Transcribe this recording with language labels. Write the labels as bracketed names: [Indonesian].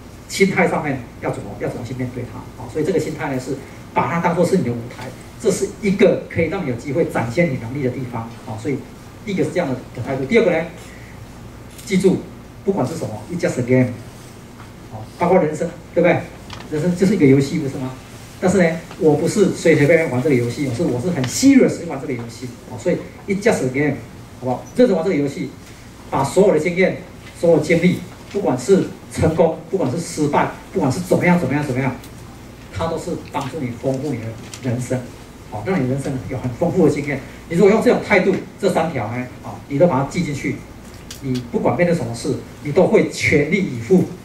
[Chinese] 心态上面要怎么去面对它。所以这个心态呢，是把它当作是你的舞台，这是一个可以让你有机会展现你能力的地方。所以第一个是这样的态度。第二个呢，记住，不管是什么 ， [English] it's just a game， [Chinese] 包括人生，对不对？人生就是一个游戏，不是吗？但是呢，我不是随随便便玩这个游戏，我是很 serious 玩这个游戏。所以 [English] it's just a game， [Chinese] 好不好？认真玩这个游戏，把所有的经验、所有经历，不管是成功，不管是失败，不管是怎么样，它都是帮助你丰富你的人生，让你人生有很丰富的经验。你如果用这种态度，这三条呢，你都把它记进去，你不管面对什么事，你都会全力以赴。